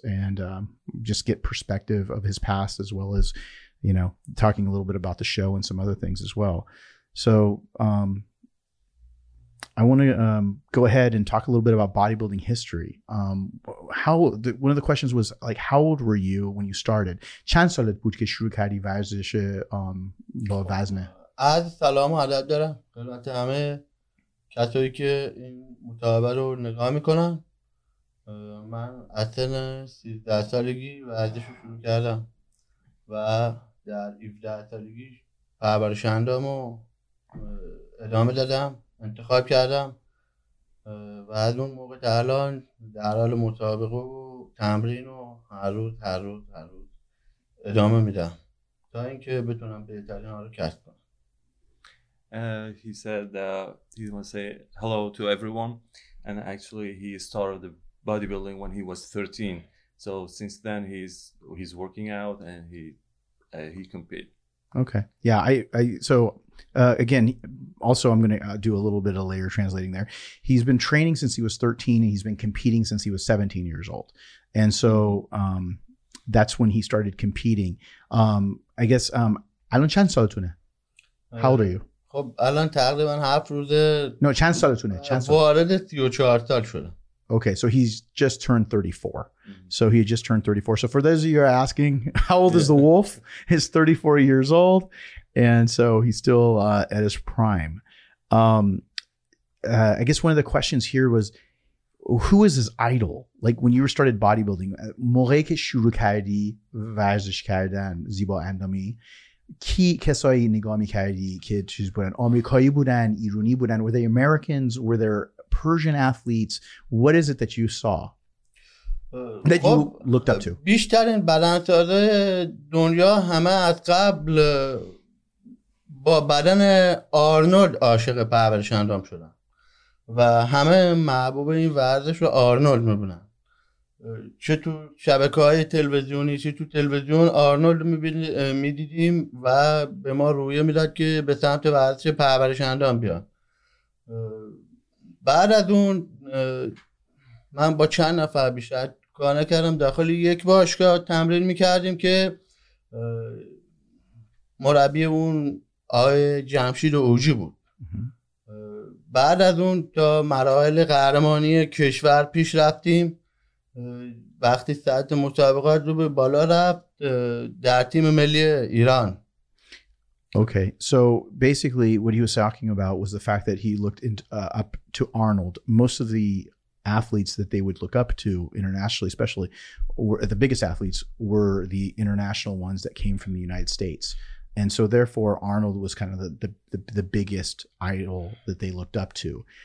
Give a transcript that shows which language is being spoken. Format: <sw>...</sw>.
<en>And just get perspective of his past as well as, you know, talking a little bit about the show and some other things as well. So I want to go ahead and talk a little bit about bodybuilding history. One of the questions was like, how old were you when you started?</en> <fa>Chand salat bood ke shuru kardi varzish ba vazne? عرض سلام و ادب دارم خدمت همه کسایی که این مصاحبه رو نگاه میکنن. من اصلا 13 سالگی ورزش رو شروع کردم و در 17 سالگی پرورش اندام رو ادامه دادم، انتخاب کردم و از اون موقع تا الان در حال مسابقه و تمرین و هر روز ادامه میدم تا اینکه بتونم بهترین ها رو کسب کنم.</fa> <en>He said he wants to say hello to everyone, and actually he started the bodybuilding when he was 13. So since then he's working out and he compete. Okay. Yeah. So again, also I'm going to do a little bit of layer translating there. He's been training since he was 13 and he's been competing since he was 17 years old. And so, that's when he started competing. I guess,</en> <fa>الان چند سالتونه?</fa> <en>How old are you?</en> <fa>خب الان تقریبا 7 روز نه چند سالتونه؟ وارد 34 سال شدم.</fa> <en>Okay, so he's just turned 34. So he just turned 34. So for those of you who are asking, how old is the wolf? He's 34 years old. And so he's still at his prime. I guess one of the questions here was, who is his idol? Like when you started bodybuilding,</en> <fa>موقعی که شروع کردی ورزش کردن زیبا اندامی، کی کسایی نگاه میکردی که چیز بودن؟ آمریکایی بودن؟ ایرانی بودن؟</fa> <en>Were they Americans? Were there Persian athletes? What is it that you saw that you looked up to?</en> <fa>بیشترین بدنسازای دنیا همه از قبل با بدن آرنولد عاشق پرورش اندام شدن و همه محبوب این ورزش رو آرنولد میبینن. چه تو شبکه‌های تلویزیونی چه تو تلویزیون آرنولد می‌دیدیم و به ما رویه می‌داد که به سمت ورزش پرورش اندام بیان. بعد از اون من با چند نفر بیشتر کار نکردم، داخل یک باشگاه تمرین می‌کردیم که مربی اون آقای جمشید اوجی بود. بعد از اون تا مراحل قهرمانی کشور پیش رفتیم. وقتی ساعت مسابقات رو به بالا رفت در تیم ملی ایران.</fa> <en>Okay, so basically what he was talking about was the fact that he looked into, up to Arnold. Most of the athletes that they would look up to internationally, especially were, the biggest athletes were the international ones that came from the United States. And so therefore Arnold was kind of the biggest idol that they looked up to.</en>